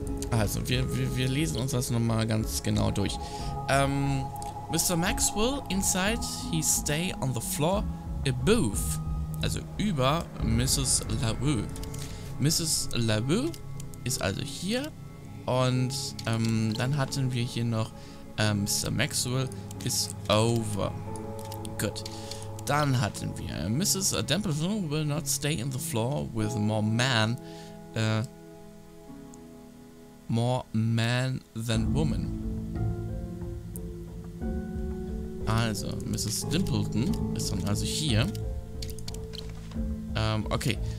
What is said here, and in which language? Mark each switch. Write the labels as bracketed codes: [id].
[de] Also, wir lesen uns das nochmal ganz genau durch. [en] Mr. Maxwell inside, he stay on the floor above. [de] Also über Mrs. LaRue. Mrs. LaRue ist also hier. Und dann hatten wir hier noch Mr. [en] Maxwell is over. Good. [de] Dann hatten wir, Mrs. [en] Dempleton will not stay in the floor with more man, more man than woman. [de] Also, Mrs. Dempleton ist dann also hier. Okay,